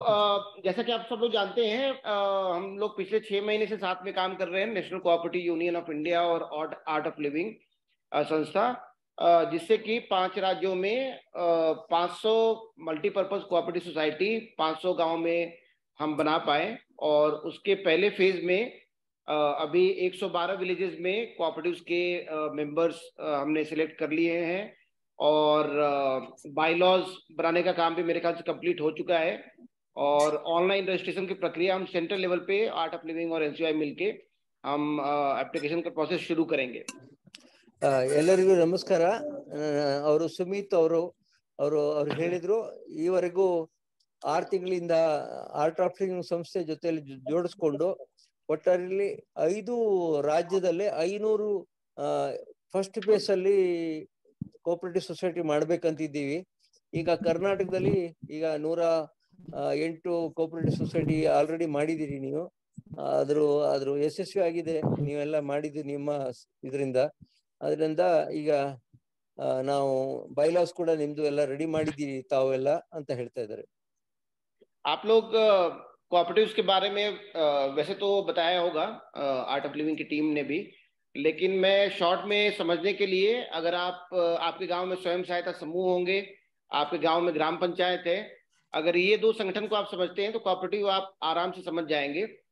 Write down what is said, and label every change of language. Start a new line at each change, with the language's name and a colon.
Hindi: जैसा कि आप सब लोग जानते हैं, हम लोग पिछले 6 महीने से साथ में काम कर रहे हैं, national cooperative union of India और आर्ट ऑफ लिविंग संस्था, जिससे कि 5 राज्यों में 500 मल्टीपर्पज कोऑपरेटिव सोसाइटी 500 गांव में हम बना पाए, और उसके पहले फेज में अभी 112 विलेजेस में कोऑपरेटिव्स के मेंबर्स हमने सिलेक्ट कर लिए हैं, और बायलॉज बनाने का काम भी मेरे ख्याल से कंप्लीट हो चुका है, और ऑनलाइन रजिस्ट्रेशन की प्रक्रिया हम सेंट्रल लेवल पे आर्ट ऑफ लिविंग और एनसीआई मिलके हम एप्लीकेशन का प्रोसेस शुरू करेंगे।
Kannada: ಎಲ್ಲರಿಗೂ ನಮಸ್ಕಾರ. ಅವರು ಸುಮಿತ್ ಅವರು ಅವರು ಅವ್ರು ಹೇಳಿದ್ರು, ಈವರೆಗೂ 6 ತಿಂಗಳಿಂದ ಆರ್ಟ್ ಆಫ್ ಲಿವಿಂಗ್ ಸಂಸ್ಥೆ ಜೊತೆಯಲ್ಲಿ ಜೋಡಿಸ್ಕೊಂಡು ಒಟ್ಟಾರೆ 5 ರಾಜ್ಯದಲ್ಲಿ 500 ಫಸ್ಟ್ ಫೇಸ್ ಅಲ್ಲಿ ಕೋಆಪರೇಟಿವ್ ಸೊಸೈಟಿ ಮಾಡ್ಬೇಕಂತಿದ್ದೀವಿ. ಈಗ ಕರ್ನಾಟಕದಲ್ಲಿ ಈಗ 108 ಕೋಆಪರೇಟಿವ್ ಸೊಸೈಟಿ ಆಲ್ರೆಡಿ ಮಾಡಿದ್ದೀರಿ ನೀವು, ಆದರೂ ಅದ್ರ ಯಶಸ್ವಿ ಆಗಿದೆ ನೀವೆಲ್ಲ ಮಾಡಿದ್ದು ನಿಮ್ಮ ಇದರಿಂದ. ಅದರಿಂದ ಈಗ ನಾವು ಬೈಲಾಸ್ ಕೂಡ ನಿಮ್ದು ಎಲ್ಲ ರೆಡಿ ಮಾಡಿದ್ದೀರಿ ತಾವು ಎಲ್ಲ ಅಂತ ಹೇಳ್ತಾ ಇದ್ದಾರೆ.
Hindi: आप लोग कोऑपरेटिव्स के बारे में वैसे तो बताया होगा आर्ट ऑफ लिविंग की टीम ने भी, लेकिन मैं शॉर्ट में समझने के लिए, अगर आपके गांव में स्वयं सहायता समूह होंगे, आपके गांव में ग्राम पंचायत है, अगर ये दो संगठन को आप समझते हैं तो कोऑपरेटिव आप आराम से समझ जाएंगे।